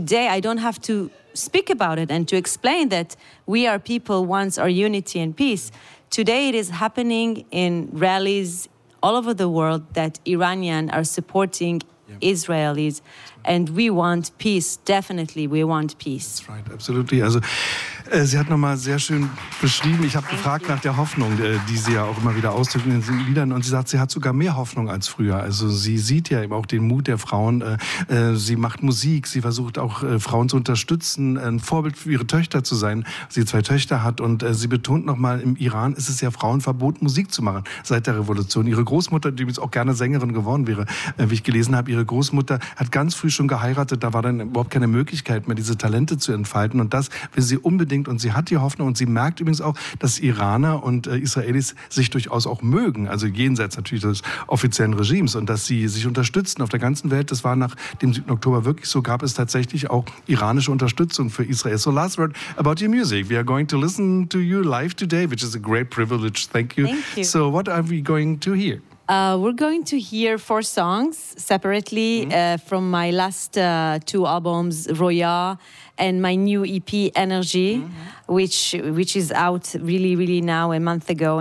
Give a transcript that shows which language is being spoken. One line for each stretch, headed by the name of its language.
English: Today, I don't have to speak about it and to explain that we are people wants our unity and peace. Mm-hmm. Today, it is happening in rallies all over the world that Iranian are supporting Israelis. Right. And we want peace, definitely, we want peace. That's right, absolutely.
German: Also, sie hat nochmal sehr schön beschrieben, ich habe gefragt nach der Hoffnung, die sie ja auch immer wieder ausdrückt in den Liedern. Und sie sagt, sie hat sogar mehr Hoffnung als früher. Also sie sieht ja eben auch den Mut der Frauen. Sie macht Musik, sie versucht auch Frauen zu unterstützen, ein Vorbild für ihre Töchter zu sein, sie zwei Töchter hat. Und sie betont nochmal, im Iran ist es ja Frauen verboten, Musik zu machen seit der Revolution. Ihre Großmutter, die übrigens auch gerne Sängerin geworden wäre, wie ich gelesen habe, ihre Großmutter hat ganz früh schon geheiratet. Da war dann überhaupt keine Möglichkeit mehr, diese Talente zu entfalten. Und das will sie unbedingt. Und sie hat die Hoffnung und sie merkt übrigens auch, dass Iraner und Israelis sich durchaus auch mögen, also jenseits natürlich des offiziellen Regimes und dass sie sich unterstützen auf der ganzen Welt. Das war nach dem 7. Oktober wirklich so, gab es tatsächlich auch iranische Unterstützung für Israel.
English: So last word about your music. We are going to listen to you live today, which is a great privilege. Thank you. Thank you. So what are we going to hear? We're going to hear four songs separately from my last two albums, Roya, and my new EP, Energy, which is out really, really now, a month ago.